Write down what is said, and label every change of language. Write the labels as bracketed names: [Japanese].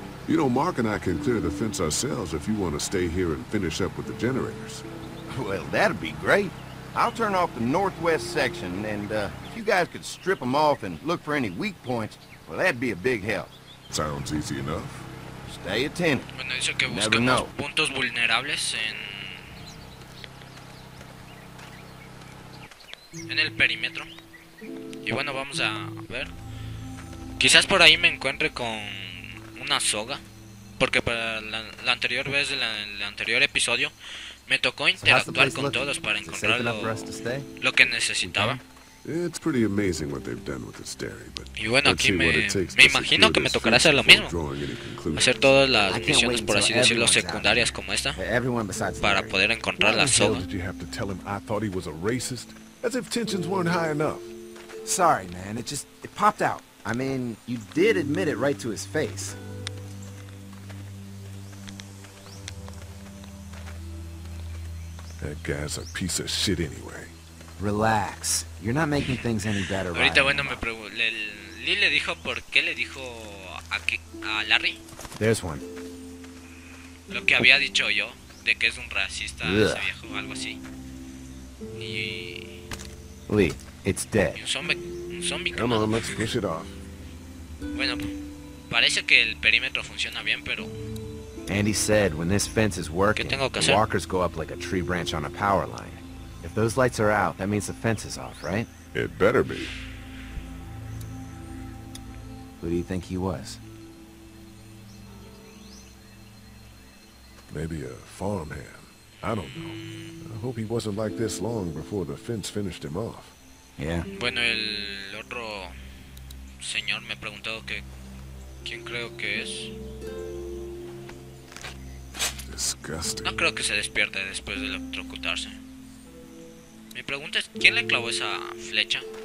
[English] You know, Mark and I can clear the fence ourselves if you want to stay here and finish up with the generators. Well, that'd be great. I'll turn off the northwest section, and if you guys could strip them off and look for any weak points, well, that'd be a big help. Sounds easy enough. Stay attentive. [Spanish] Bueno, dice que busca unos puntos vulnerables en el perímetro. Y bueno, vamos a ver. Quizás por ahí me encuentre con una soga, porque para la anterior vez del anterior episodio me tocó interactuar con todos para encontrar lo que necesitaba. [English] It's pretty amazing what they've done with this dairy, but [Spanish] y bueno, aquí me imagino que me tocará hacer lo mismo. Hacer todas las misiones, por así decirlo, secundarias como esta, para poder encontrar la soga. [English] Did you have to tell him I thought he was a racist? As if tensions weren't high enough. Sorry, man. It popped out. I mean, you did admit it right to his face. That guy's a piece of shit anyway. Relax. You're not making things any better. [Spanish] Ahorita bueno me pregunté. Lee le dijo por qué le dijo a Larry. [English] There's one. [Spanish] Lo que había dicho yo de que es un racista ese viejo o algo así. Y [English] Lee, it's dead. [Spanish] Un zombie. [English] Come on, let's push it off. [Spanish] Bueno, parece que el perímetro funciona bien, pero [English] Andy said when this fence is working, the walkers go up like a tree branch on a power line. If those lights are out, that means the fence is off, right? It better be. Who do you think he was? Maybe a farmhand. I don't know. I hope he wasn't like this long before the fence finished him off. Yeah. [Spanish] Bueno, el otro señor me ha preguntado que quién creo que es. [English] Disgusting. [Spanish] No creo que se despierte después de electrocutarse. Mi pregunta es, ¿quién le clavó esa flecha?